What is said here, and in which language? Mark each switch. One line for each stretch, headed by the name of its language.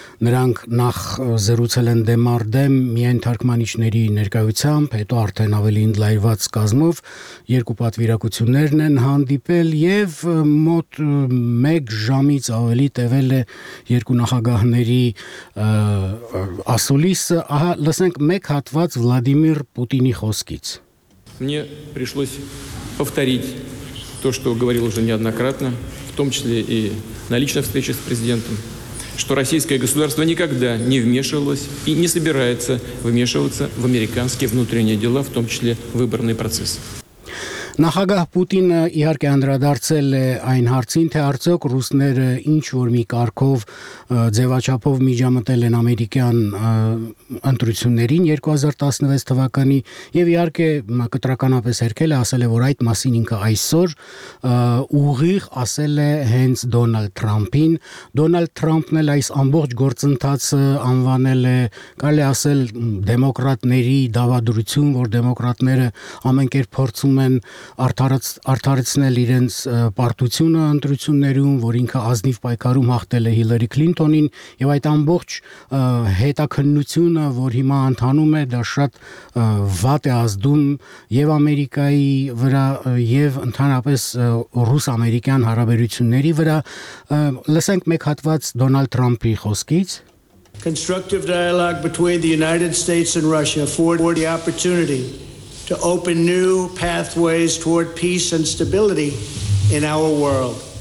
Armenian: նրանք նախ զրուցել են դեմարդեմ միայն թարգմանիչների ներկայությամբ, հետո արդեն ավելի լայված կազմով երկու պատվիրակություններն են հանդիպել եւ մոտ 1 ժամից ավելի տևել է երկու նախագահների ասուլիսը։ Ահա լսենք մեկ հատված Վլադիմիր Պուտինի խոսքից։
Russian: Мне пришлось повторить то, что говорил уже неоднократно, в том числе и на личных встречах с президентом, что российское государство никогда не вмешивалось и не собирается вмешиваться в американские внутренние дела, в том числе выборный процесс.
Armenian: Նախագահ Պուտինը իհարկե անդրադարձել է այն հարցին, թե արդյոք ռուսները ինչ որ մի կարգով ձևաչափով միջամտել են ամերիկյան ընտրություններին 2016 թվականի, եւ իհարկե կտրականապես հերքել է, ասել է, որ այդ մասին ինքը այսօր ուղիղ ասել է հենց Դոնալդ Թրամփին։ Դոնալդ Թրամփն էլ այս ամբողջ գործընթացը անվանել է, կարելի ասել, դեմոկրատների դավադրություն, որ դեմոկրատները ամենքեր փորձում են արդարացնել իրենց պարտությունը ընտրություններում, որ ինքը ազնիվ պայքարում հաղթել է Հիլերի Քլինտոնին, եւ այդ ամբողջ հետաքննությունը, որ հիմա ընթանում է, դա շատ վատ է ազդում եւ Ամերիկայի վրա, եւ ընդհանրապես ռուս-ամերիկյան հարաբերությունների վրա։ Լսենք մեկ հատված Դոնալդ Թրամփի խոսքից։
English: Constructive dialogue between the United States and Russia for the opportunity to open new pathways toward peace and stability in our world.